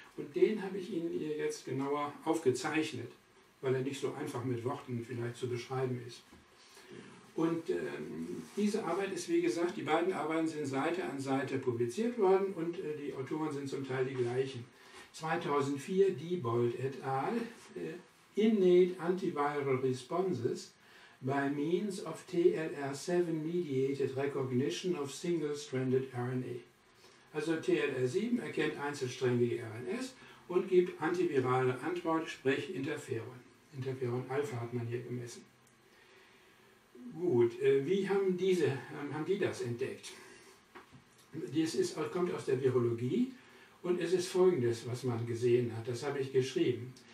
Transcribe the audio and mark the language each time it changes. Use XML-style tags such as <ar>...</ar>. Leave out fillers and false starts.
<de>Und den habe ich Ihnen hier jetzt genauer aufgezeichnet, weil er nicht so einfach mit Worten vielleicht zu beschreiben ist. Und diese Arbeit ist, wie gesagt, die beiden Arbeiten sind Seite an Seite publiziert worden, und die Autoren sind zum Teil die gleichen. 2004 Diebold et al.</de> <en>Innate antiviral responses by means of TLR7-mediated recognition of single-stranded RNA.</en> <de>Also TLR7 erkennt einzelsträngige RNAs und gibt antivirale Antwort, sprich Interferon. Interferon Alpha hat man hier gemessen. Gut, wie haben die das entdeckt? Das kommt aus der Virologie und es ist Folgendes, was man gesehen hat, das habe ich geschrieben.</de>